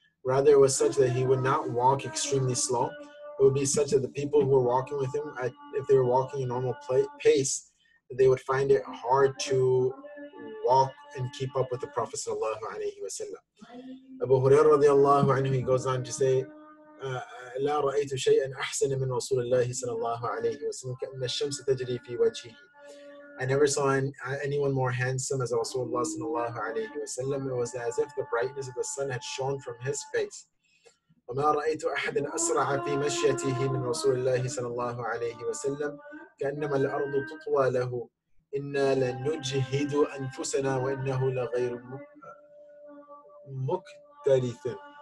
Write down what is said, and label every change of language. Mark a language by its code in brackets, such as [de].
[en] Rather, it was such that he would not walk extremely slow. It would be such that the people who were walking with him, if they were walking a normal pace, they would find it hard to walk and keep up with the Prophet sallallahu alaihi wasallam. Abu Hurairah radiallahu anhu, he goes on to say, [ar] لا رأيت شيئا أحسن من رسول الله صلى الله عليه وسلم كأن الشمس تجري في وجهه. [en] I never saw anyone more handsome as Rasulullah صلى الله عليه وسلم. It was as if the brightness of the sun had shone from his face. [ar] وما رأيت أحدا أسرع في مشيته من رسول الله صلى الله عليه وسلم كأنما الأرض تطوى له. إنا لن نجهد أنفسنا وإنه لغير مكترث.